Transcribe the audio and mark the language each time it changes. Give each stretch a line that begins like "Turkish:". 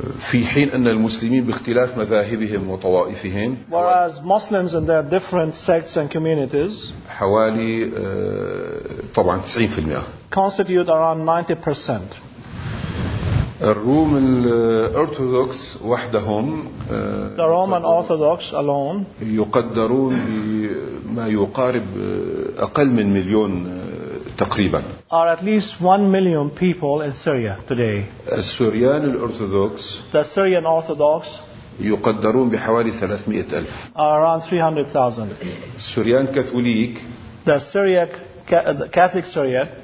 Arabic: في حين أن المسلمين باختلاف مذاهبهم وطوائفهم
English: whereas Muslims in their different sects and communities
Arabic: حوالي طبعا 90%
English: constitute around 90%.
Arabic: الروم الأرثوذكس وحدهم
English: the Roman Orthodox alone
Arabic: يقدرون بما يقارب أقل من مليون تقريبا
English: are at least 1 million people in Syria today.
Arabic: السوريان الأرثوذكس
English: the Syrian Orthodox
Arabic: يقدرون بحوالي 300,000
English: are around 300,000.
Arabic: السوريان كاثوليك
English: the Syriac Catholic Syria